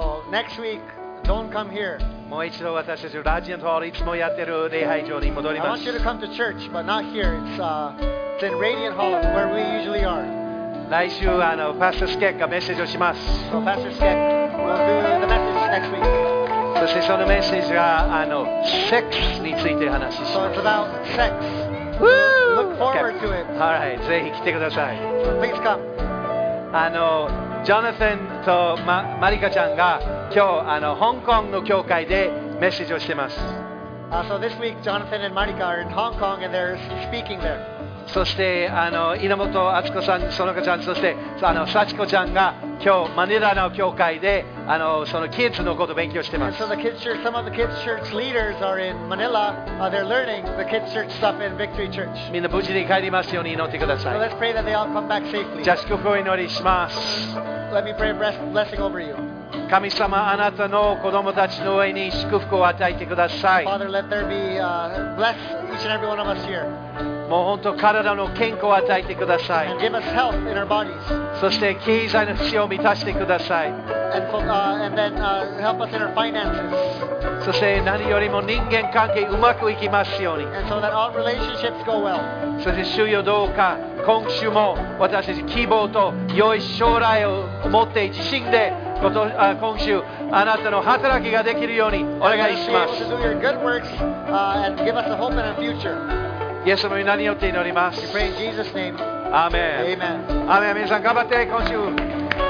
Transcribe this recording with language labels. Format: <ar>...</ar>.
<ja>私たちラジオントホール、いつもやってる礼拝場に戻ります。</ja> <en>I want you to come to church, but not here. It's in Radiant Hall, where we usually are.</en> <ja>来週あのパスタスケッがメッセージをします。</ja> <en>So Pastor Skek will do the message next week.</en> <ja>そしてそのメッセージがあのセックスについて話します。</ja> <en>So it's about sex. Woo! Look forward to it. All right,</en> <ja>ぜひ来てください。</ja> <en>So please come.</en> <ja>あのジョナサンと マリカちゃんが今日あの香港の教会でメッセージをしてます。</ja> <en>So this week, Jonathan and Marika are in Hong Kong and they're speaking there.</en> <ja>そしてあの稲本敦子さん、園香ちゃん、そしてあの幸子ちゃんが今日マニラの教会であのそのキッズのことを勉強してます。</ja> <en>So the kids church, some of the kids church leaders are in Manila. They're learning the kids church stuff in Victory Church.</en> <ja>みんな無事に帰りますように祈ってください。</ja> <en>So let's pray that they all come back safely.</en> <ja>じゃあ祝福を祈りします。</ja> <en>Let me pray a blessing over you.</en> <ja>神様、あなたの子供たちの上に祝福を与えてください。</ja> <en>Father, let there be, bless each and every one of us here.</en> <ja>もう本当、体の健康を与えてください。</ja> <en>And give us health in our bodies.</en> <ja>そして、経済の必要を満たしてください。</ja> <en>And, and then, help us in our finances.</en> <ja>そして、何よりも人間関係うまくいきますように。</ja> <en>And so that all relationships go well.</en> <ja>そして、主よどうか。今週も私たち希望と良い将来を持って自信で今週あなたの働きができるようにお願いします。</ja> <en>Do your good works, and give us a hope and a future.</en> <ja>イエス様に何よって祈ります。</ja> <en>We pray in Jesus' name.</en> <ja>アーメン。</ja> <en>Amen.</en> <ja>アーメン。皆さん頑張って今週。</ja>